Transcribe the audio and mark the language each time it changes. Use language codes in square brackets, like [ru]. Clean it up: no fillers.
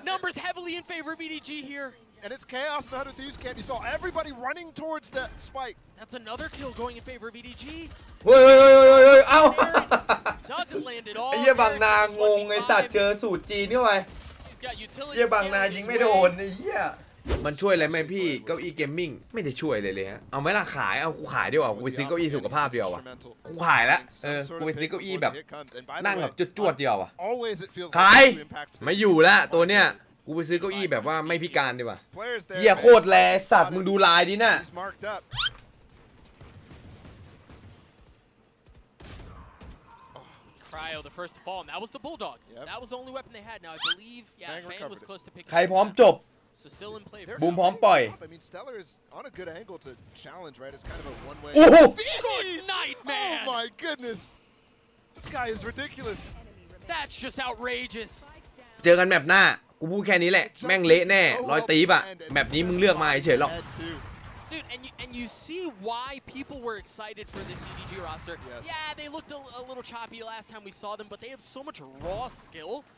[en] Numbers heavily in favor of EDG here and it's chaos in the 100 thieves camp you saw everybody running towards that spike that's another kill going in favor of EDG [th] เฮ้ยเอ้า [en] doesn't land at all [th] เหี้ยบางนางงไอ้สัตว์เจอสูตรจีนเข้าไปเหี้ยบางนายิงไม่โดนไอ้เหี้ยมันช่วยอะไรไหมพี่เก้าอี้เกมมิ่งไม่ได้ช่วยเลยเลยฮะเอาไหมล่ะขายเอากูขายดีกว่ากูไปซื้อเก้าอี้สุขภาพเดียววะกูขายแล้วกูไปซื้อเก้าอี้แบบนั่งแบบจวดๆเดียววะขายไม่อยู่ละตัวเนี้ยกูไปซื้อเก้าอี้แบบว่าไม่พิการดีกว่าเหี้ยโคตรแรสัตว์มึงดูลายดิน่ะ [en] Cryo, the first to fall, and that was the bulldog. That was the only weapon they had. Now I believe, yeah, Fang was close to pick. [th] ใครพร้อมจบ [en] So still in play. Boom, pump, boy. I mean, Stellar is on a good angle to challenge, right? It's kind of a one-way. Oh, nightmare! Oh my goodness, this guy is ridiculous. That's just outrageous. [th] เจอกันแมปหน้ากูพูดแค่นี้แหละแม่งเละแน่ร้อยตีบอ่ะแมปนี้มึงเลือกมาเฉยหรอก [en] Dude, and you see why people were excited for this EDG roster? Yes. Yeah, they looked a little choppy last time we saw them, but they have so much raw skill.